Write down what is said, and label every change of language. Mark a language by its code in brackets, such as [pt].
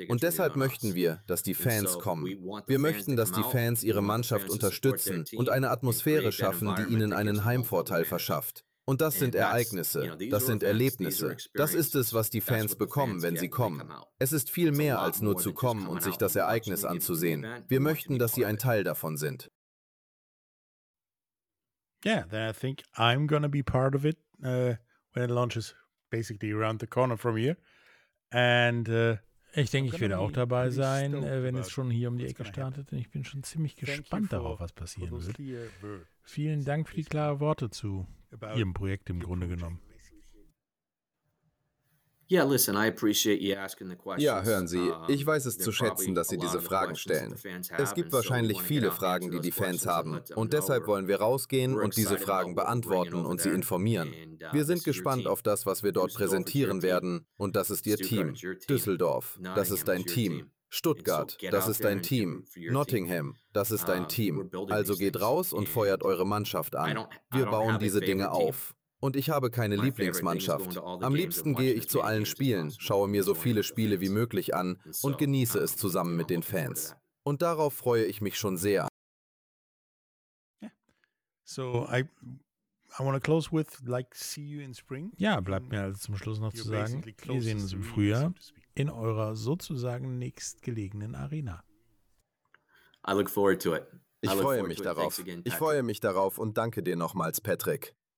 [de] Und deshalb möchten wir, dass die Fans kommen. Wir möchten, dass die Fans ihre Mannschaft unterstützen und eine Atmosphäre schaffen, die ihnen einen Heimvorteil verschafft. Und das sind Ereignisse, das sind Erlebnisse. Das ist es, was die Fans bekommen, wenn sie kommen. Es ist viel mehr, als nur zu kommen und sich das Ereignis anzusehen. Wir möchten, dass sie ein Teil davon sind. [en] Yeah, then I think I'm going to be part of it when it launches basically around the corner from here. And [de] ich denke, ich werde auch dabei sein, wenn es schon hier um die Ecke startet. Und ich bin schon ziemlich gespannt darauf, was passieren wird. Vielen Dank für die klaren Worte zu Ihrem Projekt im Grunde genommen. Ja, hören Sie, ich weiß es zu schätzen, dass Sie diese Fragen stellen. Es gibt wahrscheinlich viele Fragen, die die Fans haben. Und deshalb wollen wir rausgehen und diese Fragen beantworten und Sie informieren. Wir sind gespannt auf das, was wir dort präsentieren werden. Und das ist Ihr Team. Düsseldorf, das ist dein Team. Stuttgart, das ist dein Team. Nottingham, das ist dein Team. Also geht raus und feuert eure Mannschaft an. Wir bauen diese Dinge auf. Und ich habe keine Lieblingsmannschaft. Am liebsten gehe ich zu allen Spielen, schaue mir so viele Spiele wie möglich an und genieße es zusammen mit den Fans. Und darauf freue ich mich schon sehr. [en] So, I want to close with, like, see you in spring. [de] Ja, bleibt mir also zum Schluss noch zu sagen, wir sehen uns im Frühjahr in eurer sozusagen nächstgelegenen Arena. [en] I look forward to it. [de] Ich freue mich darauf. Ich freue mich darauf und danke dir nochmals, Patrick.